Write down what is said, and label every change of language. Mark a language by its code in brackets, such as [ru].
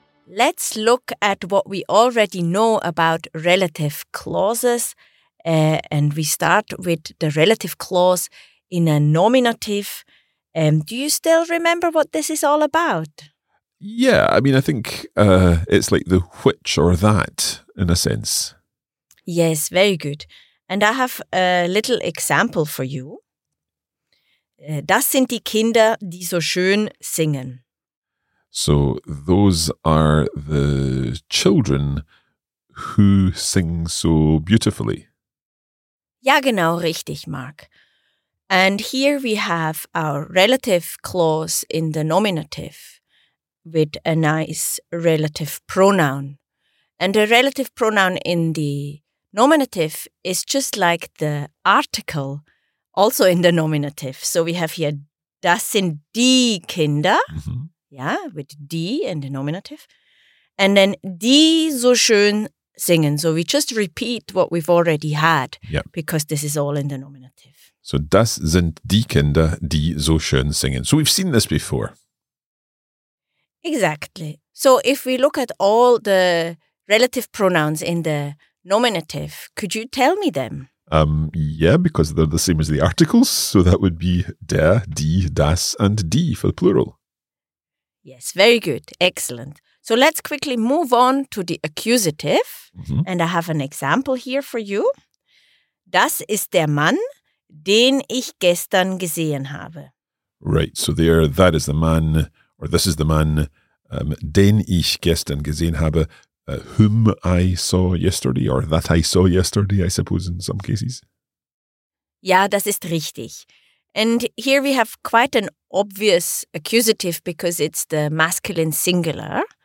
[en] Let's look at what we already know about relative clauses, and we start with the relative clause in a nominative. Do you still remember what this is all about? Yeah, I mean, I think it's like the which or that, in a sense. Yes, very good. And I have a little example for you. [de] Das sind die Kinder, die so schön singen. [en] So those are the children who sing so beautifully. [de] Ja, genau, richtig, Marc. [en] And here we have our relative clause in the nominative with a nice relative pronoun. And a relative pronoun in the nominative is just like the article also in the nominative. So we have here, [de] das sind die Kinder, mm-hmm. [en] Yeah, with die in the nominative. And then [de] die so schön singen. [en] So we just repeat what we've already had, yep. Because this is all in the nominative. [de] So das sind die Kinder, die so schön singen. [en] So we've seen this before. Exactly. So if we look at all the relative pronouns in the nominative, could you tell me them? Yeah, because they're the same as the articles. So that would be der, die, das and die for the plural. Yes, very good. Excellent. So let's quickly move on to the accusative. Mm-hmm. And I have an example here for you. [de] Das ist der Mann, den ich gestern gesehen habe. [en] Right. So there, that is the man, or this is the man, [de] den ich gestern gesehen habe, [en] whom I saw yesterday, or that I saw yesterday, I suppose, in some cases. [de] Ja, das ist richtig. [en] And here we have quite an obvious accusative because it's the masculine singular.